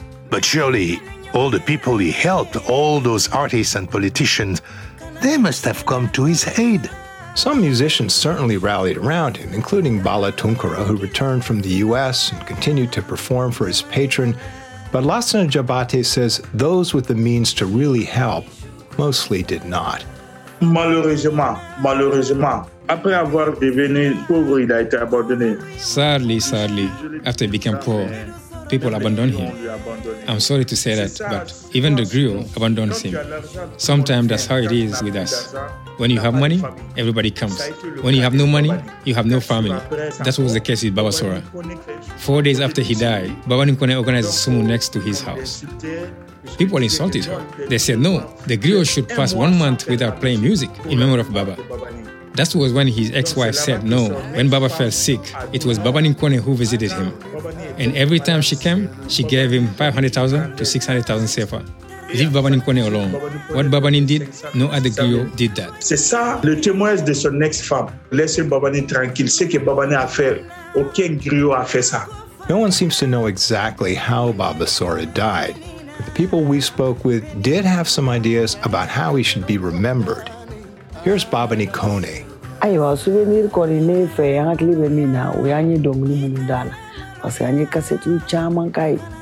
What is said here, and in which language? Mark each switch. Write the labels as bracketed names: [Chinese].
[English] But surely, all the people he helped, all those artists and politicians, they must have come to his aid. Some musicians certainly rallied around him, including Bala Tunkara, who returned from the U.S. and continued to perform for his patron. But Lassana Jabate says those with the means to really help mostly did not. [French] Malheureusement, après avoir devenu pauvre, il a été abandonné. [English] Sadly, after he became poor, people abandoned him. I'm sorry to say that, but even the griot abandons him. Sometimes that's how it is with us. When you have money, everybody comes. When you have no money, you have no family. That was the case with Baba Sora. 4 days after he died, Baba Nkone organized a sumo next to his house. People insulted her. They said, no, the griot should pass 1 month without playing music in memory of Baba. That was when his ex-wife said no. When Baba fell sick, it was Baba Nkone who visited him. And every time she came, she gave him 500,000 to 600,000 sefa. Leave Baba Nkone alone. What Baba Nkone did, no other griot did that. [French] C'est ça le témoignage de son ex-femme. Laisse Baba Nkone tranquille. Ce que Baba Nkone a fait, aucun griot a fait ça. [English] No one seems to know exactly how Baba Sora died. But the people we spoke with did have some ideas about how he should be remembered. Here's Baba Nkone. I was souvenir ko ni fe angli be mina we any dong ni munu dala parce que any cassette u chaman kai.